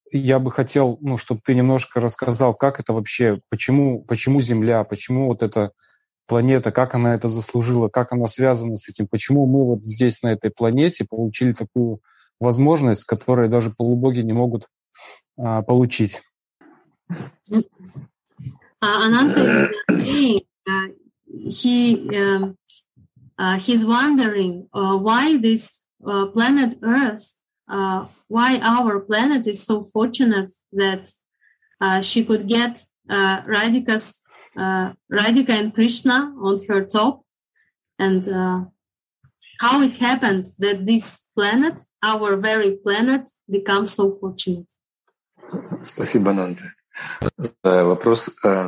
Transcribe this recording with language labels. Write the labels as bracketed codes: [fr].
[ru] я бы хотел, ну, чтобы ты немножко рассказал, как это вообще, почему Земля, почему вот эта планета, как она это заслужила, как она связана с этим, почему мы вот здесь, на этой планете, получили такую возможность, которую даже полубоги не могут получить. [en] Ананта is saying, he's wondering why this planet Earth, why our planet is so fortunate that she could get Radhika and Krishna on her top, and how it happened that this planet, our very planet, becomes so fortunate. [ru] Спасибо, Ананта, за вопрос.